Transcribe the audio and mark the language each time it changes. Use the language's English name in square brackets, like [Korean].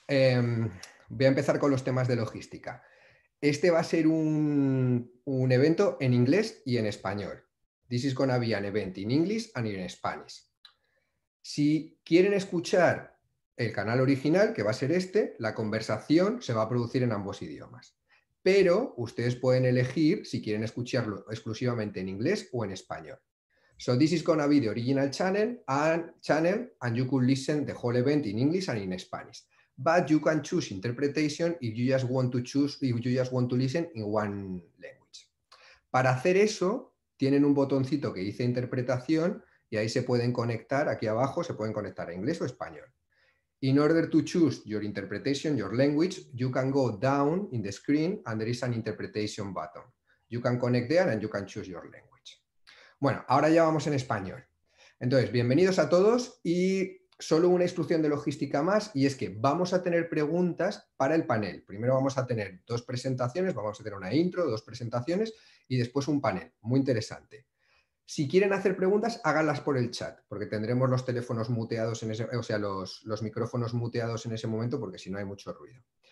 [Spanish] Voy a empezar con los temas de logística. Este va a ser un evento en inglés y en español. [English] This is going to be an event in English and in Spanish. [Spanish] Si quieren escuchar el canal original, que va a ser este, la conversación se va a producir en ambos idiomas. Pero ustedes pueden elegir si quieren escucharlo exclusivamente en inglés o en español. [English] So this is going to be the original channel and you could listen the whole event in English and in Spanish. But you can choose interpretation if you just want to listen in one language. Para hacer eso, tienen un botoncito que dice interpretación y ahí se pueden conectar, aquí abajo se pueden conectar a inglés o español. In order to choose your interpretation, your language, you can go down in the screen and there is an interpretation button. You can connect there and you can choose your language. [Spanish] Bueno, ahora ya vamos en español. Entonces, bienvenidos a todos y solo una instrucción de logística más y es que vamos a tener preguntas para el panel. Primero vamos a tener dos presentaciones, vamos a tener una intro, dos presentaciones y después un panel. Muy interesante. Si quieren hacer preguntas, háganlas por el chat porque tendremos los teléfonos muteados, los micrófonos muteados en ese momento porque si no hay mucho ruido.